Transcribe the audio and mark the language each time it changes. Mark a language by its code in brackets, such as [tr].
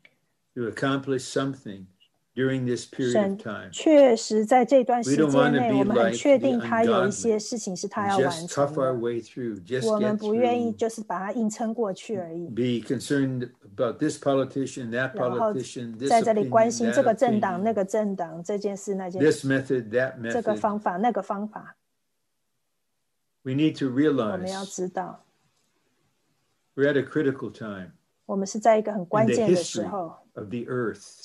[zh] 相聚，我们也还可以有这个特会，周末特会来到十月都，但是现在我们还在这个光景之中，在主的主宰之下。就像神容许仇敌在约伯身上做一些的事，约伯是一个敬虔的人。 [en] During this period of time, [zh] 确实在这段时间内，我们确定他有一些事情是他要完成的。我们不愿意就是把它硬撑过去而已。 [en] Be concerned about this politician, that politician, this opinion, [zh] 在这里关心这个政党、那个政党、这件事、那件事。 [en] This method, that method, [zh] 这个方法、那个方法。 [en] We need to realize. [zh] 我们要知道。 [en] We're at a critical time. [zh] 我们是在一个很关键的时候。 [en] Of the earth,